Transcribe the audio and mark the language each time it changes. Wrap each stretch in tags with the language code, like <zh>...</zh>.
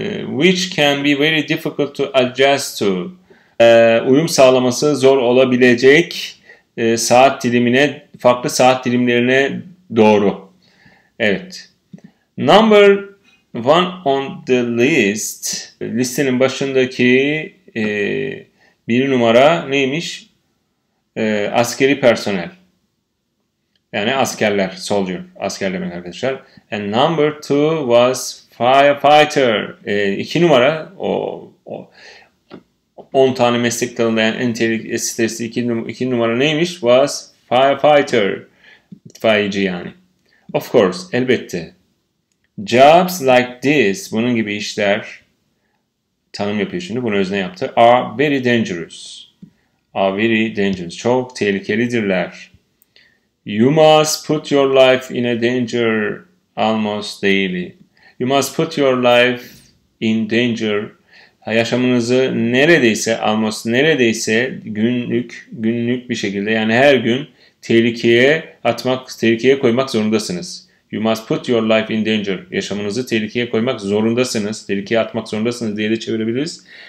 <en>Which can be very difficult to adjust to.</en> <tr>Uyum sağlaması zor olabilecek saat dilimine, farklı saat dilimlerine doğru. Evet.</tr> <en>Number one on the list.</en> <tr>Listenin başındaki bir numara neymiş? Askeri personel. Yani askerler,</tr> <en>soldier,</en> <tr>asker demek arkadaşlar.</tr> <en>And number two was firefighter.</en> <tr>İki numara, o 10 tane meslek dalından en tehlikeli stresli iki numara neymiş?</tr> <en>Was firefighter,</en> <tr>itfaiyeci yani.</tr> <en>Of course,</en> <tr>elbette.</tr> <en>Jobs like this,</en> <tr>bunun gibi işler, tanım yapıyor şimdi, bunu özne yaptı.</tr> <en>Are very dangerous. Are very dangerous,</en> <tr>çok tehlikelidirler.</tr> <en>You must put your life in a danger almost daily. You must put your life in danger.</en> <tr>Yaşamınızı neredeyse, almost neredeyse günlük bir şekilde, yani her gün tehlikeye atmak, tehlikeye koymak zorundasınız.</tr> <en>You must put your life in danger.</en> <tr>Yaşamınızı tehlikeye koymak zorundasınız, tehlikeye atmak zorundasınız diye de çevirebiliriz.</tr>